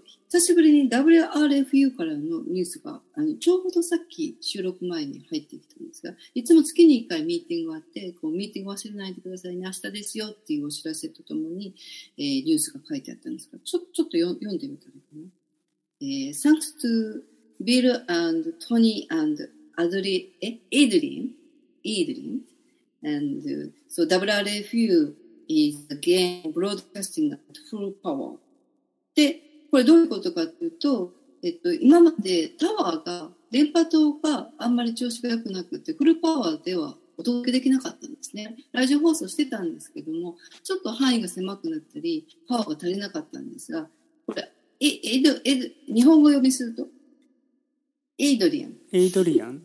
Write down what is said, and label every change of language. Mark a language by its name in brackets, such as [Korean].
[Japanese] 久しぶりに WRFU からのニュースがちょうどさっき収録前に入ってきたんですが、いつも月に1回ミーティングがあって、こうミーティング忘れないでくださいね、明日ですよっていうお知らせとともに、ニュースが書いてあったんですが、ちょっと読んでみたらいいかな。 [English] Thanks to Bill and Tony and Adrian, and so WRFU is again broadcasting at full power. [Japanese] で、これどういうことかというと、今までタワーが、電波塔があんまり調子が良くなくて、フルパワーではお届けできなかったんですね。ラジオ放送してたんですけども、ちょっと範囲が狭くなったり、パワーが足りなかったんですが、これ、日本語読みするとエイドリアン